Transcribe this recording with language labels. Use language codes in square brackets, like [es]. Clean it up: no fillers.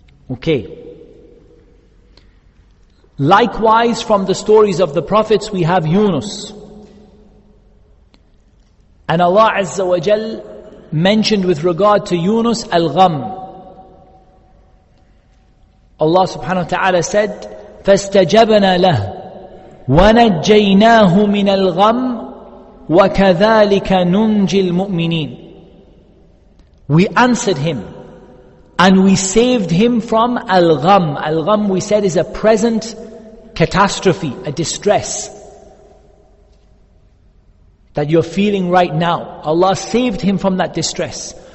[en] Okay. Likewise, from the stories of the prophets, we have Yunus. And Allah Azza wa Jal mentioned with regard to Yunus al-gham. [ar] Allah subhanahu wa ta'ala said, فَاسْتَجَبْنَا لَهُ وَنَجَّيْنَاهُ مِنَ الْغَمِّ وَكَذَلِكَ نُنْجِي الْمُؤْمِنِينَ. [en] We answered him and we saved him from al-gham. Al-gham, we said, is a present catastrophe, a distress that you're feeling right now. Allah saved him from that distress.